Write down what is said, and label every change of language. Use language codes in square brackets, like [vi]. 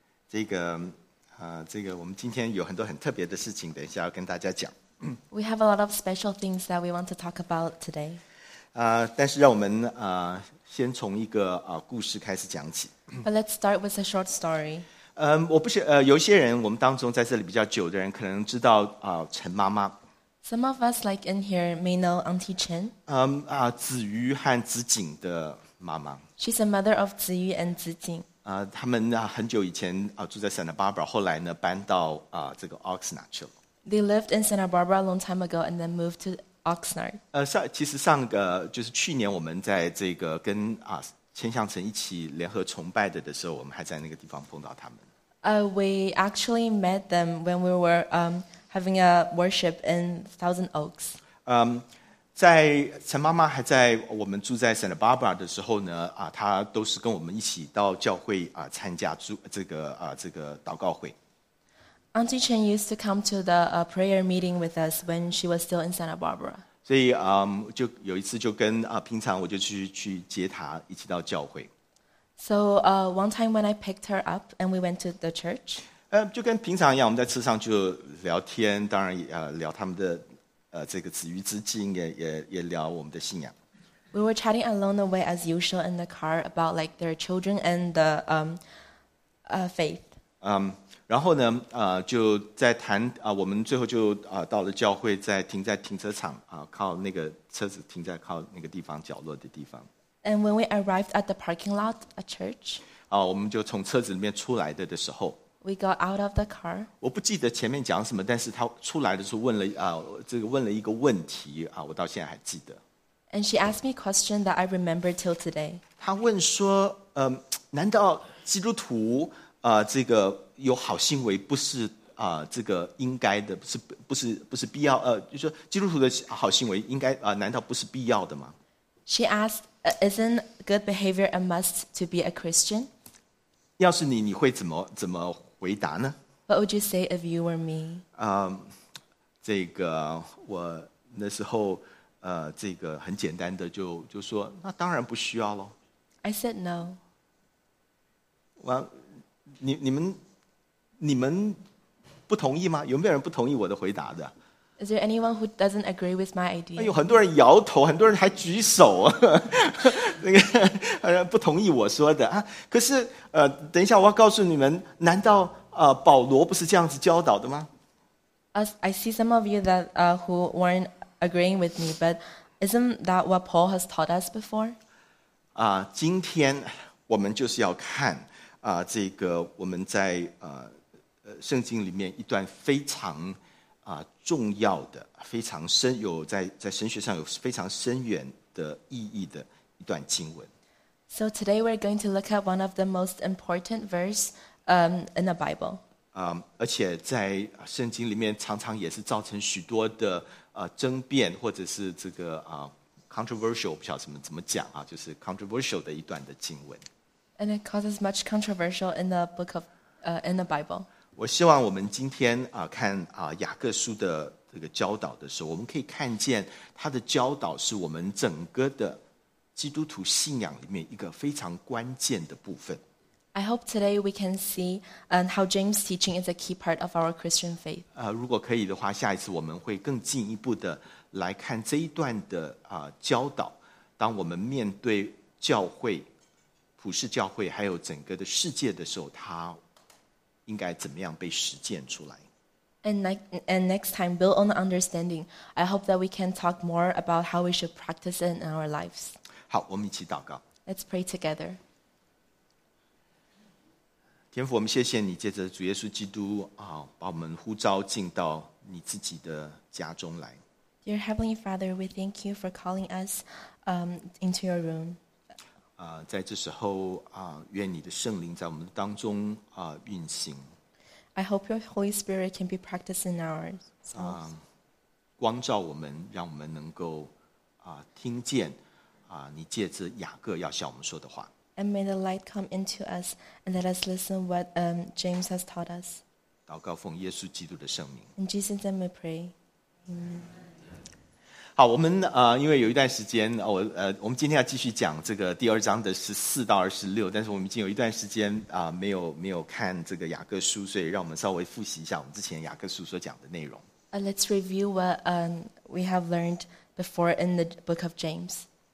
[zh] 这个我们今天有很多很特别的事情，等一下要跟大家讲。 [en] We have a lot of special things that we want to talk about today. [zh] 但是让我们先从一个故事开始讲起。 [en] But let's start with a short story. [zh] 我不是有些人我们当中在这里比较久的人可能知道陈妈妈。 [en] Some of us, like in here, may know Auntie Chen. [zh] 子瑜和子景的妈妈。 [en] She's a mother of 子瑜 and 子景。 [zh] 他们很久以前住在 Santa Barbara， 后来呢搬到这个 Oxnard 去了。 [en] They lived in Santa Barbara a long time ago and then moved to Oxnard. [zh] 其实上个就是去年我们在这个跟千向城一起联合崇拜的时候，我们还在那个地方碰到他们。 [en] We actually met them when we were having a worship in Thousand Oaks. [zh] 在陈妈妈还在我们住在 Santa Barbara 的时候呢，她都是跟我们一起到教会参加这个祷告会。 [en] Auntie Chen used to come to the prayer meeting with us when she was still in Santa Barbara. [zh] 所以就有一次就跟平常我就去接她一起到教会。 [en] So one time when I picked her up and we went to the church. [zh] 就跟平常一样，我们在车上就聊天，当然聊他们的这个子瑜之境，也聊我们的信仰。 [en] We were chatting along the way as usual in the car about like their children and the faith. [zh] 然后呢，就在谈我们最后就到了教会，在停在停车场靠那个车子停在靠那个地方角落的地方。 [en] And when we arrived at the parking lot, a church. [zh] 我们就从车子里面出来的时候。 [en] We got out of the car. [zh] 我不记得前面讲什么，但是他出来的时候问了这个问了一个问题我到现在还记得。 [en] And she asked me a question that I remember till today. [zh] 他问说，难道基督徒这个有好行为不是这个应该的，不是必要就是基督徒的好行为应该难道不是必要的吗？ [en] She asked, isn't good behavior a must to be a Christian? [zh] 要是你会怎么回答呢？ [en] What would you say if you were me? [zh] 这个我那时候这个很简单的就说那当然不需要咯。 [en] I said no. [zh] Well, 你们不同意吗？有没有人不同意我的回答的？ [en] Is there anyone who doesn't agree with my idea? [zh] 有很多人摇头，很多人还举手那个不同意我说的可是等一下我要告诉你们，难道保罗不是这样子教导的吗？ [en] I see some of you that who weren't agreeing with me, but isn't that what Paul has taught us before? [zh] 今天我们就是要看这个我们在圣经里面一段非常重要的，非常深，有在神学上有非常深远的意义的一段经文。 [en] So today we're going to look at one of the most important verse in the Bible. [zh] 而且在圣经里面常常也是造成许多的争辩，或者是这个controversial， 我不晓得怎么讲就是 controversial 的一段的经文。 [en] And it causes much controversial in the book of in the Bible. [zh] 我希望我们今天看雅各书的这个教导的时候，我们可以看见他的教导是我们整个的基督徒信仰里面一个非常关键的部分。 [en] I hope today we can see how James' teaching is a key part of our Christian faith. [zh] 如果可以的话，下一次我们会更进一步的来看这一段的教导。当我们面对教会。普世教会还有整个的世界的时候，它应该怎么样被实践出来 [en] ？And next time, build on the understanding. I hope that we can talk more about how we should practice it in our lives. [zh] 好，我们一起祷告。 [en] Let's pray together. [zh] 天父，我们谢谢你借着主耶稣基督把我们呼召进到你自己的家中来。 [en] Dear Heavenly Father, we thank you for calling us into your room. [zh] 在这时候愿你的圣灵在我们当中运行。 [en] I hope your Holy Spirit can be practiced in ours. [zh] 光照我们，让我们能够听见你借着雅各要向我们说的话。 [en] And may the light come into us and let us listen what James has taught us. [zh] 祷告奉耶稣基督的圣名。 [en] In Jesus' name we pray. Amen. [zh] 好，我们因为有一段时间，我们今天要继续讲这个第二章的14到26，但是我们已经有一段时间没有看这个雅各书，所以让我们稍微复习一下我们之前雅各书所讲的内容。 [en] Let's review what we have learned before in the book of James.